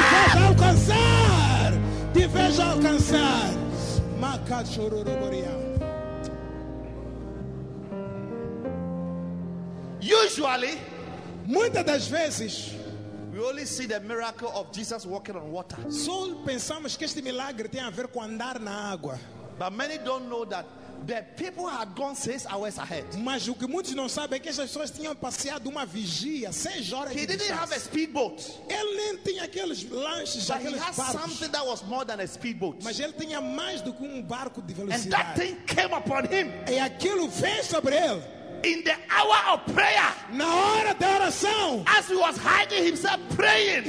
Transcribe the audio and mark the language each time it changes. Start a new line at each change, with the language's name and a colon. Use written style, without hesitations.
Portuguese: Te vejo alcançar. Te vejo alcançar. Maca chororoboria.
English: Usually,
Portuguese: muitas das vezes,
English: we only see the miracle of Jesus walking on water.
Portuguese: Só pensamos que este milagre tem a ver com andar na água.
English: But many don't know that the people had gone 6 hours ahead.
Portuguese: Mas o que muitos não sabem é que essas pessoas tinham passeado uma vigia 6 horas.
English: He didn't have a speedboat.
Portuguese: Ele nem tinha aqueles lanches, aqueles barcos.
English: But he had something that was more than a speedboat.
Portuguese: Mas ele tinha mais do que um barco de velocidade.
English: And that thing came upon him.
Portuguese: E aquilo veio sobre ele.
English: In the hour of prayer,
Portuguese: na hora da oração,
English: as he was hiding himself praying,